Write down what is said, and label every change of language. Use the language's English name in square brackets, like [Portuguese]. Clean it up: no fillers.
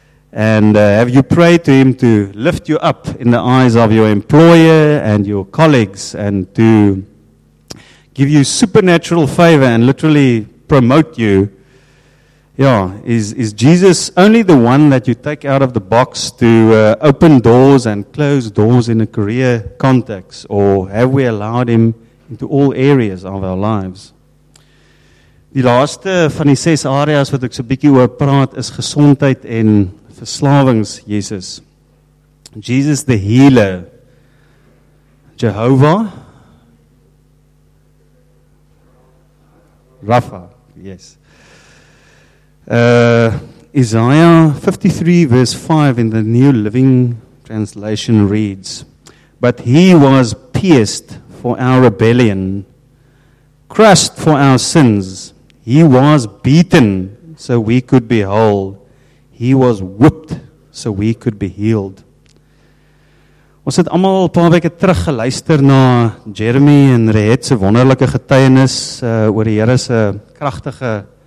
[English] And have you prayed to him to lift you up in the eyes of your employer and your colleagues, and to give you supernatural favor and literally promote you? Is Jesus only the one that you take out of the box to open doors and close doors in a career context, or have we allowed him into all areas of our lives? [Afrikaans] Die laaste van die 6 areas wat ek so bietjie oor praat is gesondheid en verslawings, Jesus. [English] Jesus the healer, Jehovah Rapha. Yes. Isaiah 53 verse 5 in the New Living Translation reads, "But he was pierced for our rebellion, crushed for our sins. He was beaten so we could be whole. He was whipped so we could be healed." [Afrikaans] Ons het almal 'n paar weke terug geluister na Jeremy en Rehet se wonderlike getuienis oor die Here se kragtige